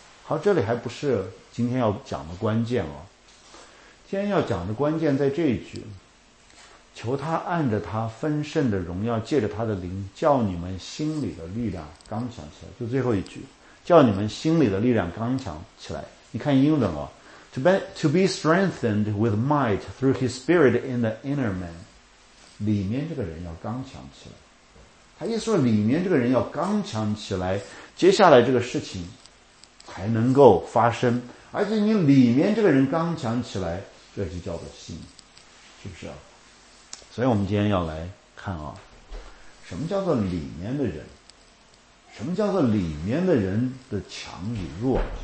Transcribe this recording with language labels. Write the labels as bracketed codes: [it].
[zh] 好，这里还不是今天要讲的关键哦。今天要讲的关键在这一句，求他按着他丰盛的荣耀，借着他的灵，叫你们心里的力量刚强起来。就最后一句，叫你们心里的力量刚强起来。你看英文哦， [en] To be strengthened with might through his spirit in the inner man. [zh] 里面这个人要刚强起来。他意思说里面这个人要刚强起来，接下来这个事情才能够发生。而且你里面这个人刚强起来，这就叫做信，是不是啊？所以我们今天要来看啊，什么叫做里面的人，什么叫做里面的人的强与弱。